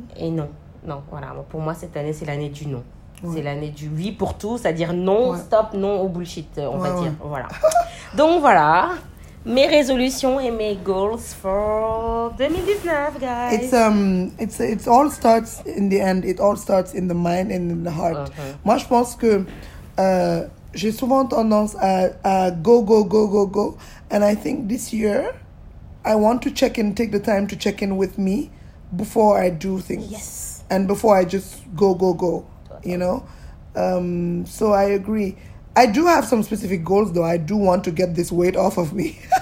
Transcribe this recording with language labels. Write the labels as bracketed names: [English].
[French] Et non, voilà. Donc pour moi, cette année, c'est l'année du non. Ouais. C'est l'année du oui pour tout, c'est-à-dire non, ouais. stop, non au bullshit, on va dire. Ouais. Voilà. Donc voilà, mes résolutions et mes goals [English] for 2019, guys. It's all starts in the end. It all starts in the mind and in the heart. Uh-huh. [French] Moi, je pense que j'ai souvent tendance à go. [English] And I think this year, I want to check in, take the time to check in with me before I do things. Yes. And before I just go, uh-huh. you know? So I agree. I do have some specific goals, though. I do want to get this weight off of me.